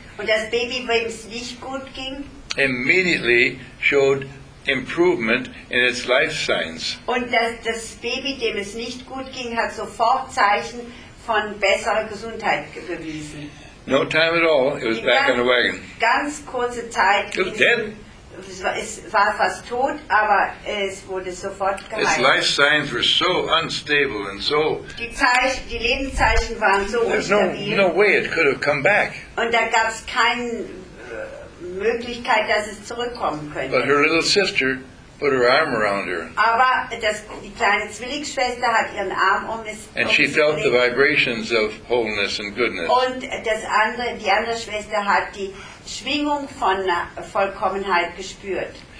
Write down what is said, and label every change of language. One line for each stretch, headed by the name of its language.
German: und das Baby, wem es nicht gut ging,
English: immediately showed improvement in its life signs.
German: Und das Baby, dem es nicht gut ging, hat sofort Zeichen von besserer Gesundheit bewiesen.
English: No time at all, it was back in the wagon.
German: Ganz kurze Zeit.
English: It was dead.
German: es war fast tot, aber es wurde sofort geheilt.
English: Its life signs were so unstable and so.
German: Die Lebenszeichen waren so unstabil.
English: No way it could have come back.
German: Und da gab's keine Möglichkeit, dass es zurückkommen könnte.
English: But her little sister put her arm around her.
German: Aber die kleine Zwillingsschwester hat ihren Arm um es.
English: And she felt the vibrations of wholeness and goodness.
German: Und die andere Schwester hat die Schwingung von Vollkommenheit gespürt.